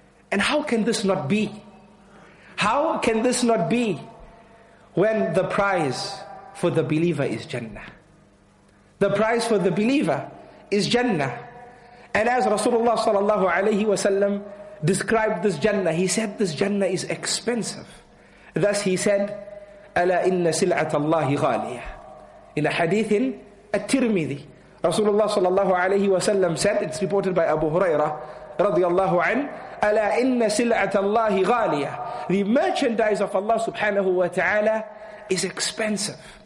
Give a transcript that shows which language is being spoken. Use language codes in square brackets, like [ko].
[en] And how can this not be? How can this not be when the prize for the believer is Jannah? The prize for the believer is Jannah. And as Rasulullah sallallahu alayhi wa sallam described this Jannah, he said this Jannah is expensive. [ar] Thus he said, أَلَا إِنَّ سِلْعَةَ اللَّهِ غَالِيَةً. [en] In a hadith in At-Tirmidhi, Rasulullah sallallahu alayhi wa sallam said, it's reported by Abu Hurairah radiallahu anhu, [ar] أَلَا إِنَّ سِلْعَةَ اللَّهِ غَالِيَةً. [en] The merchandise of Allah subhanahu wa ta'ala is expensive.